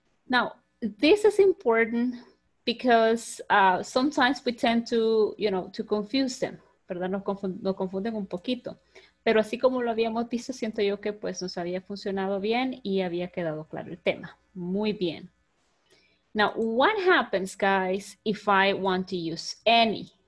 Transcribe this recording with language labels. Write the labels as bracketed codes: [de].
[en] Now, this is important because sometimes we tend to, you know, to confuse them. [es] ¿Verdad? Nos confunden un poquito. Pero así como lo habíamos visto, siento yo que pues nos había funcionado bien y había quedado claro el tema. Muy bien. [en] Now, what happens, guys, if I want to use any?